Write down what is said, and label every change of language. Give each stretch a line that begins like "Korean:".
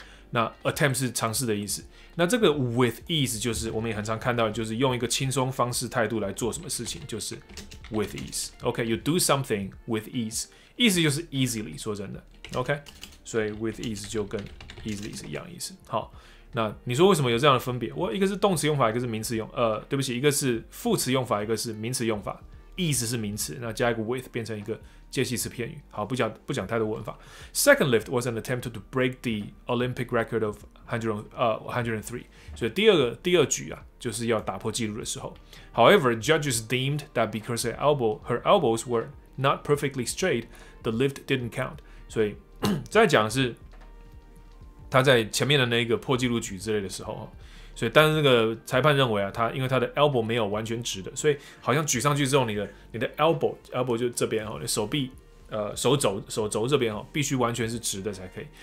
Chinese: 那 attempt 是尝试的意思那这个
English: with ease
Chinese: 就是我们也很常看到的就是用一个轻松方式态度来做什么事情就是
English: with ease OK you do something with ease ease
Chinese: 就是 easily 说真的 OK 所以
English: with ease
Chinese: 就跟 easily 是一样意思好那你说为什么有这样的分别我一个是动词用法一个是名词用对不起一个是副词用法一个是名词用法 ease 是名词那加一个 with 变成一个介系词片语，好，不讲太多文法。
English: Second lift was an attempt to break the Olympic record of 103.
Chinese: 所以第二举啊，就是要打破记录的时候。
English: However, judges deemed that because her elbows were not perfectly straight, the lift didn't count.
Chinese: 所以再讲是他在前面的那个破纪录举之类的时候，所以但是那个裁判认为啊，他因为他的 elbow 没有完全直的，所以好像举上去之后你的 elbow 就这边哦，你手臂手肘这边哦，必须完全是直的才可以。